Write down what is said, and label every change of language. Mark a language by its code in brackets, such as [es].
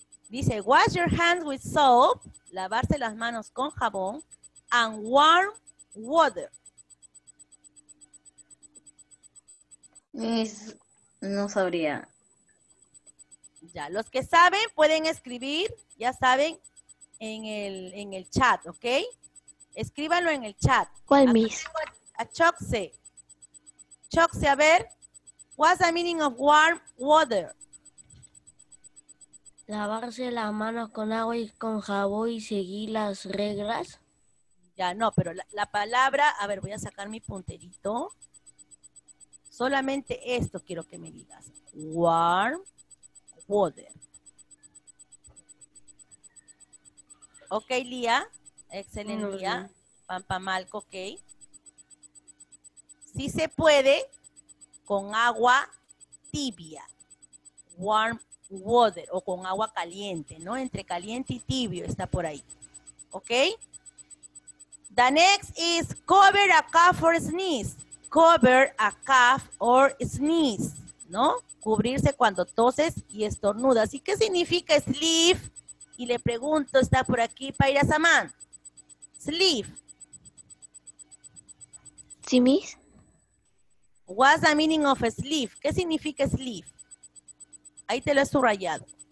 [en] Dice, wash your hands with soap, [es] lavarse las manos con jabón, [en] and warm water. [es] No sabría. Ya, los que saben pueden escribir, ya saben, en el chat, ¿ok? Escríbanlo en el chat. ¿Cuál, Miss? A Choxe. [en] Choxe, [es] a ver, [en] what's the meaning of warm water? [es] ¿Lavarse las manos con agua y con jabón y seguir las reglas? Ya, no, pero la palabra, a ver, voy a sacar mi punterito. Solamente esto quiero que me digas. [en] Warm water. [es] Ok, Lía. Excelente, Lía. Pampamalco, ok. Sí se puede con agua tibia. [en] Warm water [es] o con agua caliente, ¿no? Entre caliente y tibio está por ahí. ¿Ok? [en] The next is cover a cough or sneeze. Cover a cough or sneeze, ¿no? [es] Cubrirse cuando toses y estornudas. ¿Y qué significa sleeve? Y le pregunto, está por aquí, Paira Samán. [en] Sleeve. [es] ¿Sí, Miss? [en] What's the meaning of a sleeve? [es] ¿Qué significa sleeve? Ahí te lo he subrayado.